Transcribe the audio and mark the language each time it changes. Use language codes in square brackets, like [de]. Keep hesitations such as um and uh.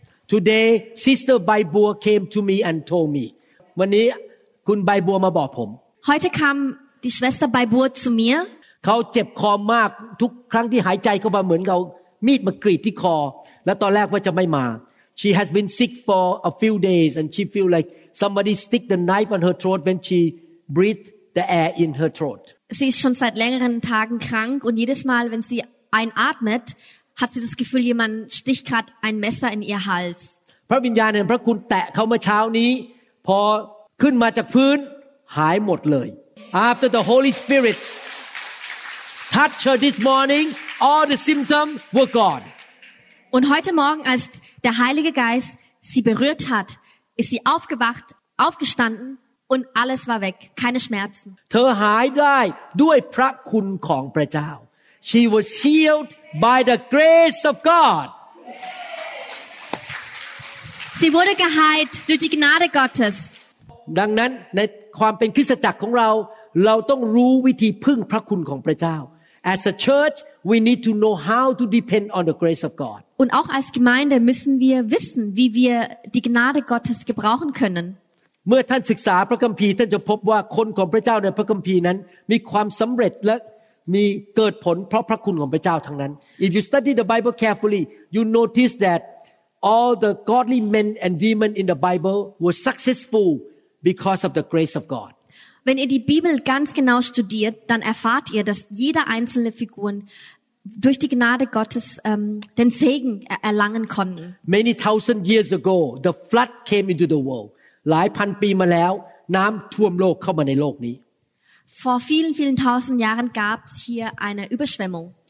[en] today sister ใบบัว came to me and told me [th] วันนี้คุณใบบัวมาบอกผม [de] heute kam die Schwester ใบบัว zu mir [th] เขาเจ็บคอมากทุกครั้งที่หายใจเข้ามาเหมือนเขามีดมากรีดที่คอและตอนแรกว่าจะไม่มา [en] she has been sick for a few days and she feel like somebody stick the knife on her throat when she breathe the air in her throat [de] sie ist schon seit längeren Tagen krank und jedes Mal wenn sie einatmet hat sie das Gefühl, jemand sticht gerade ein Messer in ihr Hals. [en] After the Holy Spirit touched her this morning, all the symptoms were gone. [de] Und heute Morgen, als der Heilige Geist sie berührt hat, ist sie aufgewacht, aufgestanden und alles war weg, keine Schmerzen. [th] เธอหายได้ด้วยพระคุณของพระเจ้า [en] She was healed by the grace of God. [de] Sie wurde geheilt durch die Gnade Gottes. [th] ดังนั้นในความเป็นคริสตจักรของเรา เราต้องรู้วิธีพึ่งพระคุณของพระเจ้า [en] As a church we need to know how to depend on the grace of God. [de] Und auch als Gemeinde müssen wir wissen, wie wir die Gnade Gottes gebrauchen können. [th] เมื่อท่านศึกษาพระคัมภีร์ท่านจะพบว่าคนของพระเจ้าในพระคัมภีร์นั้นมีความสําเร็จและมีเกิดผลเพราะพระคุณของพระเจ้าทั้งนั้น [en] if you study the Bible carefully you notice that all the godly men and women in the Bible were successful because of the grace of God [de] wenn ihr die Bibel ganz genau studiert dann erfahrt ihr dass jeder einzelne Figuren durch die Gnade Gottes um, den Segen erlangen konnten [en] many thousand years ago the flood came into the world [th] หลายพันปีมาแล้ว น้ำท่วมโลกเข้ามาในโลกนี้ [de] Vor vielen, vielen tausend Jahren gab es hier eine Überschwemmung.